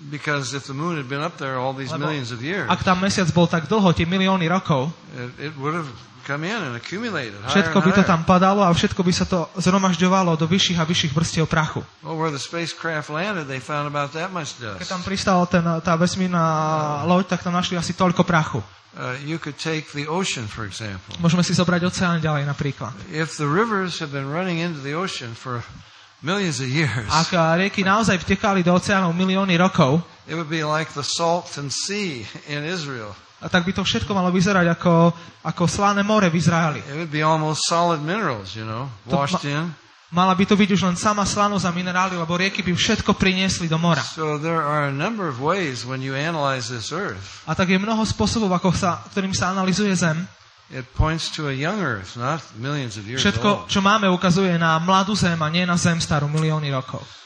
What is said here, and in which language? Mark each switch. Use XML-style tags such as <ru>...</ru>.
<en>Because if the moon had been up there all these millions of years.</en> <sk>Ak tam Mesiac bol tak dlho, tie milióny rokov.</sk> <en>It would have come in and accumulated.</en> <sk>Všetko by to tam padalo a všetko by sa to zhromažďovalo do vyšších a vyšších vrstiev prachu.</sk> <en>Well, where the spacecraft landed, they found about that much dust.</en> <sk>Keď tam pristala tá vesmírna loď, tak tam našli asi toľko prachu.</sk> <en>You could take the ocean for example.</en> <sk>Môžeme si zobrať oceán ďalej napríklad.</sk> <en>If the rivers have been running into the ocean for millions of years.</en> <sk>Ak rieky naozaj vtekali do oceánov milióny rokov.</sk> <en>It would be like the salt and sea in Israel.</en> <sk>A tak by to všetko malo vyzerať ako slané more v Izraeli.</sk> <en>It would be almost solid minerals, you know, washed in.</en> <sk>Mala by to byť už len sama slanosť a minerály, lebo rieky by všetko priniesli do mora.</sk> <en>So there are a number of ways when you analyze this earth.</en> <sk>A tak je mnoho spôsobov, ako sa, ktorým sa analyzuje Zem.</sk> <en>It points to a young earth, not millions of years.</en> <sk>Všetko, čo máme, ukazuje na mladú Zem a nie na Zem starú milióny rokov.</sk>